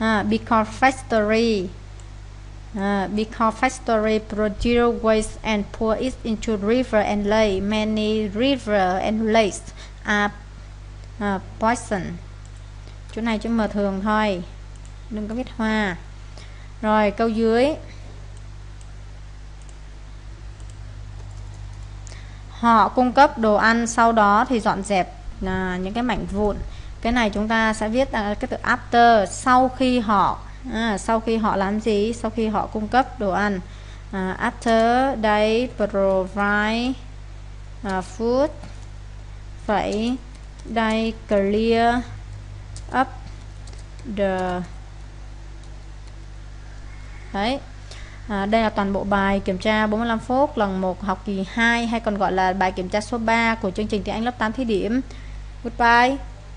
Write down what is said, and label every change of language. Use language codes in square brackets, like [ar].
[en] Because factory, because factory produce waste and pour it into river and lake, many river and lakes are poison. [vi] Chỗ này chữ mờ thường thôi, đừng có viết hoa. Rồi câu dưới, họ cung cấp đồ ăn sau đó thì dọn dẹp những cái mảnh vụn. Cái này chúng ta sẽ viết là cái từ after, sau khi họ sau khi họ làm gì, sau khi họ cung cấp đồ ăn. [en] After they provide food, vậy they clear up the, đấy. [vi] Đây là toàn bộ bài kiểm tra 45 phút lần 1 học kỳ 2, hay còn gọi là bài kiểm tra số 3 của chương trình tiếng Anh lớp 8 thí điểm. Goodbye.